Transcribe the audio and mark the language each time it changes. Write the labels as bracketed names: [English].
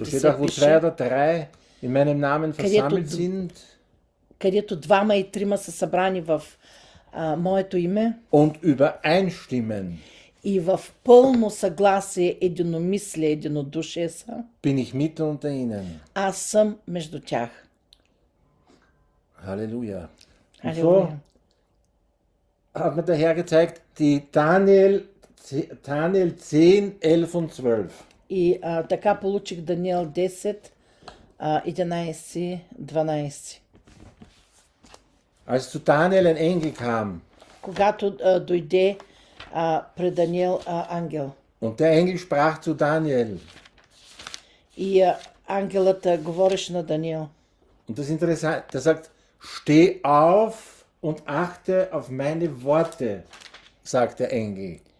[German] Da steht auch, wo zwei oder drei in meinem Namen versammelt sind. [Bulgarian] Където двама и трима са събрани в моето име. [German] Und übereinstimmen. [Bulgarian] И в пълно съгласие, единомислие, единодушие са. [German] Bin ich mit unter ihnen. [Bulgarian] Аз съм между тях. [German] Halleluja. Halleluja. Hat mir der Herr gezeigt, die Daniel 10, 11 und 12. [Bulgarian] И така получих Даниил 10, 11, 12. [German] Als zu Daniel ein Engel kam, [Bulgarian] когато дойде при Даниил ангел. [German] Und der Engel sprach zu Daniel. [Bulgarian] И ангелът говореше на Даниил. [German] Und das ist interessant, der sagt, steh auf, und achte auf meine Worte, sagt der Engel.